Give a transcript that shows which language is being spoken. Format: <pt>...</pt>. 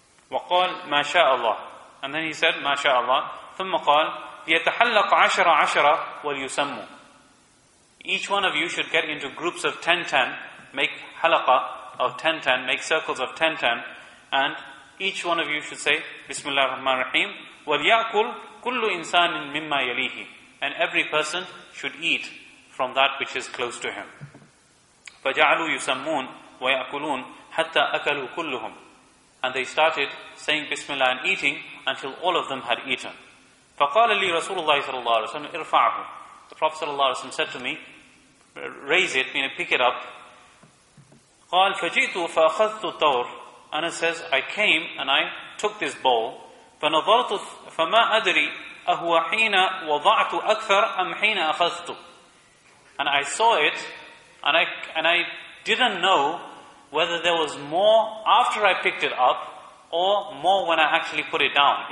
<ar>وَقَالْ مَا شَاءَ اللَّهُ</ar> <en>And then he said,</en> <ar>مَا شَاءَ اللَّهُ ثُمَّ قَالْ لِيَتَحَلَّقْ عَشَرَ عَشَرَ وَلْيُسَمُّ</ar> <en>Each one of you should get into groups of 10-10, make halaqa of 10-10, make circles of 10-10, and each one of you should say, Bismillah ar-Rahman ar-Rahim,</en> <ar>وَلْيَأْكُلْ كُلُّ إِنسَانٍ مِمَّا يَلِيهِ</ar> <en>And every person should eat from that which is close to him.</en> <ar>فَجَعَلُوا يُسَمُّونَ وَيَأْكُلُونَ حَتَّى أَكَلُوا كُلُّهُمْ</ar> <en>And they started saying Bismillah and eating until all of them had eaten.</en> <ar>فَقَالَ لِي رَسُولُ اللَّهِ صَلَى اللَّهِ عَلَيْهِ وَسَلَّمَ اِرْفَعْهُ</ar> <en>The Prophet صلى الله عليه وسلم said to me, raise it, meaning pick it up.</en> <ar>قال فجئت فأخذت الطور</ar> <en>And it says, I came and I took this bowl.</en> <ar>فنظرت فما أدري أهو حين وضعت أكثر أم حين أخذت</ar> <en>And I saw it and I didn't know whether there was more after I picked it up or more when I actually put it down.</en>